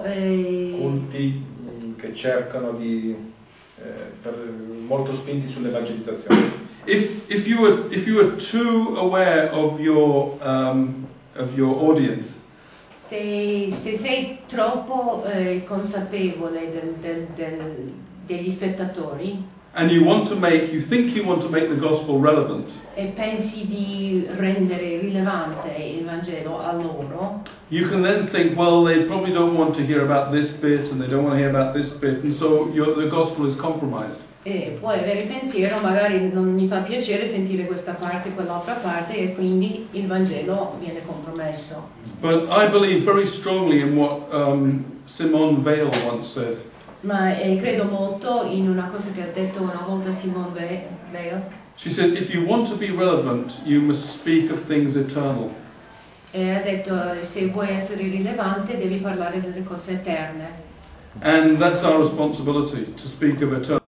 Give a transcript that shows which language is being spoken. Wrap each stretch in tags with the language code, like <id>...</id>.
<it>culti che cercano di per molto spinti sull'evangelizzazione.</it> <en>If you are too aware of your audience.</en> <it>Se sei troppo consapevole degli spettatori.</it> <en>And you want to make, you think you want to make the gospel relevant.</en> <it>E pensi di rendere rilevante il Vangelo a loro.</it> <en>You can then think, well, they probably don't want to hear about this bit, and they don't want to hear about this bit, and so the gospel is compromised.</en> <it>E puoi avere pensiero, magari non mi fa piacere sentire questa parte, quell'altra parte, e quindi il Vangelo viene compromesso.</it> <en>But I believe very strongly in what Simone Veil once said.</en> <it>Ma credo molto in una cosa che ha detto una volta Simone Veil.</it> <en>She said, if you want to be relevant, you must speak of things eternal.</en> <it>E ha detto, se vuoi essere rilevante, devi parlare delle cose eterne.</it> <en>And that's our responsibility, to speak of eternal.</en>